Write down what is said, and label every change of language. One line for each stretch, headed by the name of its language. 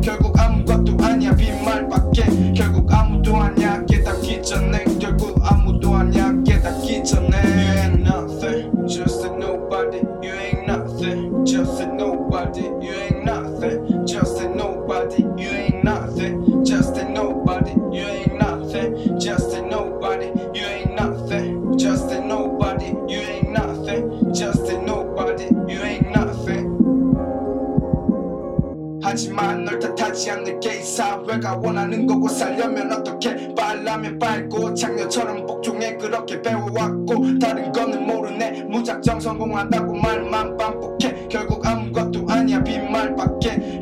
Korean: 결국 아무것도 아냐 빈말밖엔. 결국 아무도 아냐 깨닫기전엔. 결국 아무도 아냐 깨닫기전엔.
English: You ain't nothing, just a nobody. You ain't nothing, just a nobody. You ain't nothing, just a nobody. You ain't nothing, just a nobody. You ain't nothing, just a nobody. You ain't nothing, just a nobody. You ain't nothing, just a nobody. You ain't nothing.
Korean: 하지만 널 탓하지 않을 게 이 사회가 원하는 거고 살려면 어떻게 빨라면 빨고 창녀처럼 복종해 그렇게 배워왔고 다른 거는 모르네. 무작정 성공한다고 말만 반복해. 결국 아무것도 아니야 빈말밖에.